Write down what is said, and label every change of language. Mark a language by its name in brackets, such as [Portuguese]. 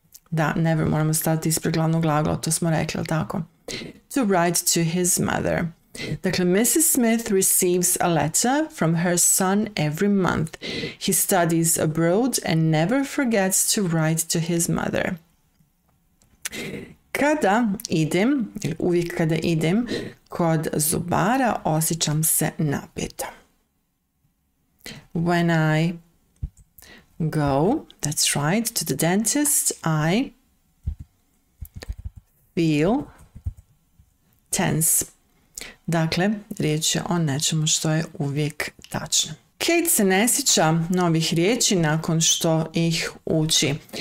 [Bosnian] Da, never moramo stati ispred glavnog glagola, to smo rekli, ali tako. [English] To write to his mother. Dakle, Mrs. Smith receives a letter from her son every month. He studies abroad and never forgets to write to his mother. [Bosnian] Kada idem, ili uvijek kada idem, kod zubara osjećam se napeto. [English] When I go, that's right, to the dentist, I feel tense. [Bosnian] Dakle, riječ je o nečemu što je uvijek tačno. Kate se ne sjeća novih riječi nakon što ih uči.